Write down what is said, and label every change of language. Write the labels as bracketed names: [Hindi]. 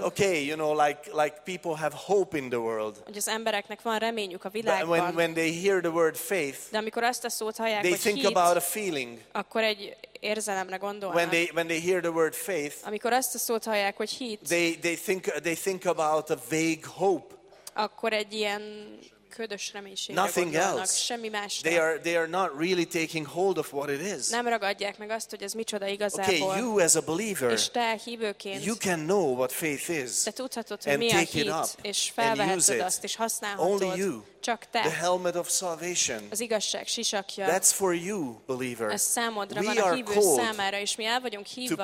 [English] Okay, you know, like people have hope in the world. [Hungarian] Hogy az embereknek van reményük a világban. [English] When they hear the word faith, [Hungarian] de amikor ezt a szót hallják, [English] they [Hungarian] hogy [English] think [Hungarian] hit, [English] about a feeling. [Hungarian] Akkor egy érzelemre gondolnak. [English] When they hear the word faith, [Hungarian] amikor ezt a szót hallják, hogy hit, [English] they think about a vague hope. [Hungarian] Akkor egy ilyen ködös reménységre [English] nothing [Hungarian] gondolnak, [English] else. [Hungarian] Semmi másra. [English] They are not really taking hold of what it is. [Hungarian] Nem ragadják meg azt, hogy ez micsoda igazából. [English] Okay, you as a believer, [Hungarian] és te hívőként, [English] you can know what faith is, [Hungarian] te tudhatod, hogy mi a hit, és felveheted azt, és használhatod. [English] Only you. [Hungarian] Csak te. [English] The helmet of salvation. [Hungarian] Az igazság sisakja. [English] That's for you, believer. [Hungarian] Ez számodra, van a hívő számára, és mi el vagyunk hívva,